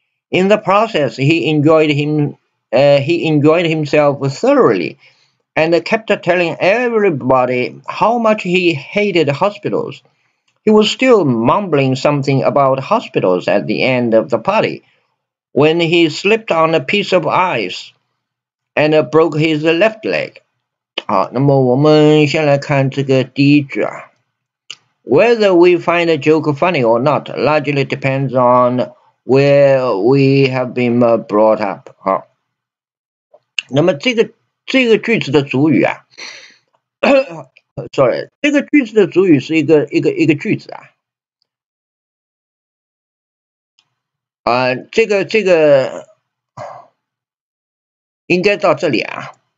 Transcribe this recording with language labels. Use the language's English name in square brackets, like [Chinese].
[English] In the process, he enjoyed himself thoroughly and kept telling everybody how much he hated hospitals. He was still mumbling something about hospitals at the end of the party when he slipped on a piece of ice and broke his left leg. [Chinese] 好，那么我们先来看这个第一句啊。 [English] Whether we find a joke funny or not, largely depends on where we have been brought up. [Chinese] 好，那么这个句子的主语啊，sorry， 这个句子的主语是一个句子啊。这个应该到这里啊。